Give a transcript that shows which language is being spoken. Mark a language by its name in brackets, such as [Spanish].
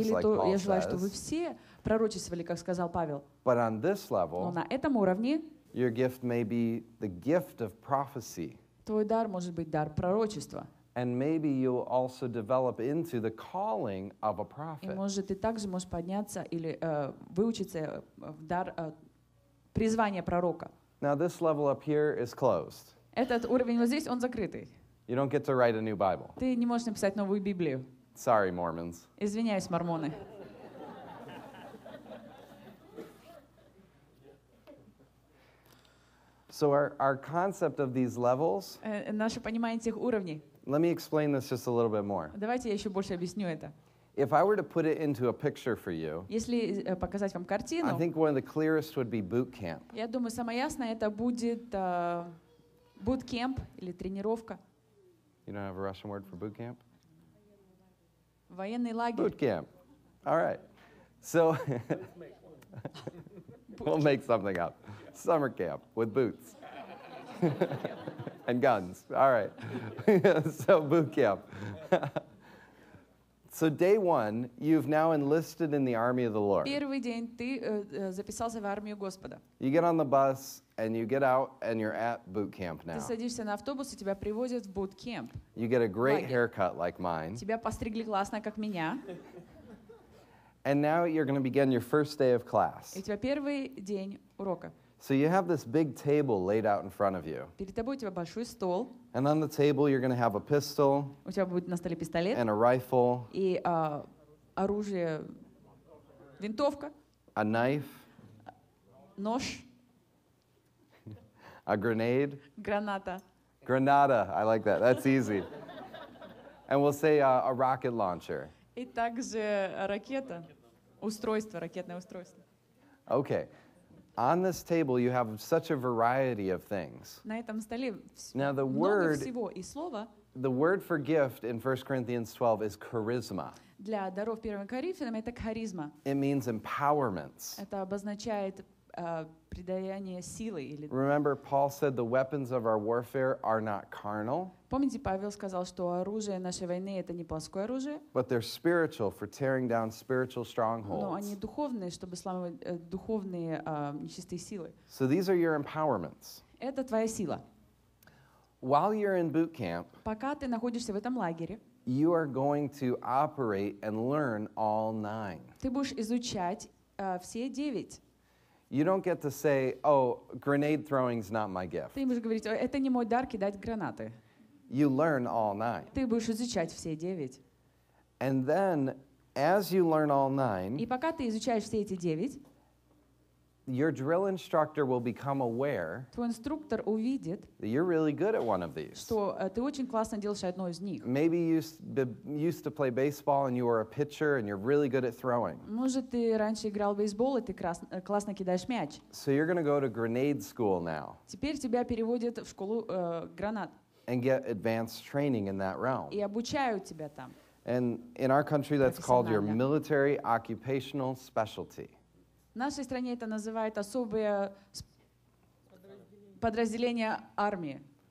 [Russian] или [English] like [Russian] то, [English] Paul says. [Russian] Или я желаю, чтобы вы все пророчествовали, как сказал Павел. [English] But on this level, [Russian] но на этом уровне, [English] your gift may be the gift of prophecy. [Russian] Твой дар может быть дар пророчества. [English] And maybe you also develop into the calling of a prophet. [Russian] И может ты также можешь подняться или выучиться в дар призвания пророка. [English] Now this level up here is closed. [Russian] Этот уровень вот здесь, он закрытый. [English] You don't get to write a new Bible. [Russian] Ты не можешь написать новую Библию. [English] Sorry, Mormons. [Russian] Извиняюсь, мормоны. [English] So our concept of these levels. [Russian] Наше понимание этих уровней. [English] Let me explain this just a little bit more. [Russian] Давайте я еще больше объясню это. [English] If I were to put it into a picture for you. [Russian] Если показать вам картину. [English] I think one of the clearest would be boot camp. [Russian] Я думаю, самое ясное это будет boot camp или тренировка. [English] You don't have a Russian word for boot camp? [Russian] Военный лагерь. [English] Boot camp. All right. So. We'll make something up. Summer camp with boots and guns. All right. So boot camp. So day one, you've now enlisted in the army of the Lord. [Russian] Первый день ты записался в армию Господа. [English] You get on the bus and you get out and you're at boot camp now. [Russian] Ты садишься на автобус и тебя привозят в boot camp. [English] You get a great haircut like mine. [Russian] Тебя постригли классно, как меня. [English] And now you're going to begin your first day of class. [Russian] И у тебя первый день урока. [English] So you have this big table laid out in front of you. [Russian] Перед тобой у тебя большой стол. [English] And on the table you're going to have a pistol. [Russian] У тебя будет на столе пистолет. [English] And a rifle. [Russian] И оружие, винтовка. [English] A knife. [Russian] Нож. [English] A grenade. [Russian] Граната. [English] Granada, I like that. That's easy. And we'll say a rocket launcher. [Russian] И также ракета, устройство, ракетное устройство. [English] Okay. On this table you have such a variety of things. [Russian] На этом столе много всего и слова. [English] The word for gift in 1 Corinthians 12 is charisma. [Russian] Для даров 1 Коринфянам это харизма. [English] It means empowerments. [Russian] Это обозначает придаяние силы или. [English] Remember, Paul said the weapons of our warfare are not carnal. [Russian] Помните, Павел сказал, что оружие нашей войны это не плоское оружие. [English] But they're spiritual for tearing down spiritual strongholds. [Russian] Но они духовные, чтобы сломать духовные нечистые силы. [English] So these are your empowerments. [Russian] Это твоя сила. [English] While you're in boot camp. [Russian] Пока ты находишься в этом лагере. [English] You are going to operate and learn all nine. [Russian] Ты будешь изучать все девять. [English] You don't get to say, "Oh, grenade throwing's not my gift." [Russian] Ты можешь говорить, это не мой дар кидать гранаты. [English] You learn all nine. [Russian] Ты будешь изучать все девять. [English] And then, as you learn all nine, [Russian] и пока ты изучаешь все эти девять, [English] your drill instructor will become aware. [Russian] Твой инструктор увидит. [English] That you're really good at one of these. [Russian] Что ты очень классно делаешь одно из них. [English] Maybe you used to play baseball and you were a pitcher and you're really good at throwing. [Russian] Может ты раньше играл в бейсбол и ты классно кидаешь мяч. [English] So you're going to go to grenade school now. [Russian] Теперь тебя переводят в школу гранат. [English] And get advanced training in that realm. [Russian] И обучают тебя там. [English] And in our country, that's called your military occupational specialty. [Russian] В нашей стране это называют особое подразделение армии.